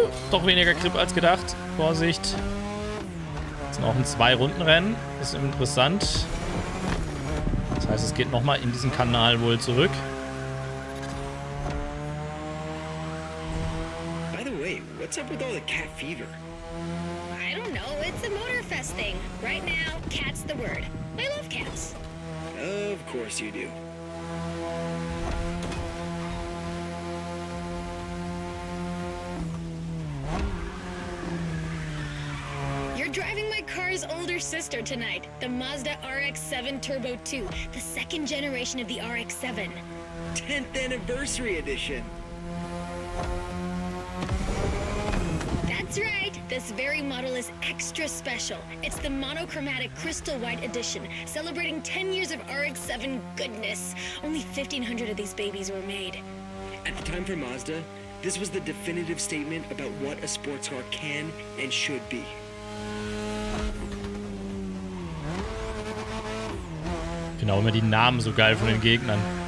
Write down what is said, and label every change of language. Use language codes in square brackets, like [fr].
[de] Doch weniger Grip als gedacht. Vorsicht. Das ist noch ein 2-Runden-Rennen. Ist interessant. Das heißt, es geht nochmal in diesen Kanal wohl zurück. [en] By the way, what's up with all the cat fever? I don't know. It's a Motorfest thing. Right now, cat's the word. I love cats. Of course you do. Driving my car's older sister tonight, the Mazda RX-7 Turbo 2, the second generation of the RX-7. 10th anniversary edition. That's right. This very model is extra special. It's the monochromatic crystal white edition, celebrating 10 years of RX-7 goodness. Only 1,500 of these babies were made. At the time for Mazda, this was the definitive statement about what a sports car can and should be. [de] Genau, immer die Namen so geil von den Gegnern.